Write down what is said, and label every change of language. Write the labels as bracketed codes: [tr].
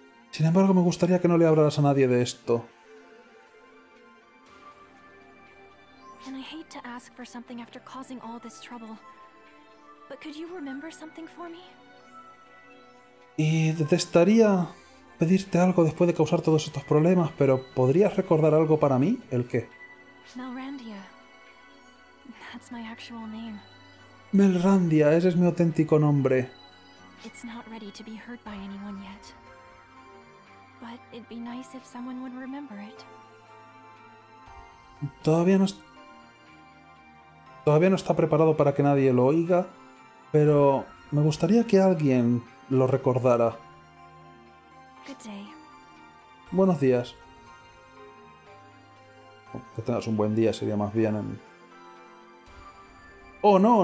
[es] Sin embargo, me gustaría que no le hablaras a nadie de esto. [en] And I hate to ask for something after causing all this trouble. But could you remember something for me? [es] Y detestaría pedirte algo después de causar todos estos problemas, pero ¿podrías recordar algo para mí? ¿El qué? [en] Melrandia. That's my actual name. [es] Melrandia, ese es mi auténtico nombre. [en] It's not ready to be heard by anyone yet. But it'd be nice if someone would remember it. [es] Todavía no está preparado para que nadie lo oiga, pero me gustaría que alguien lo recordara. [en] Good day. [es] Buenos días. Que tengas un buen día, sería más bien en... ¡Oh no!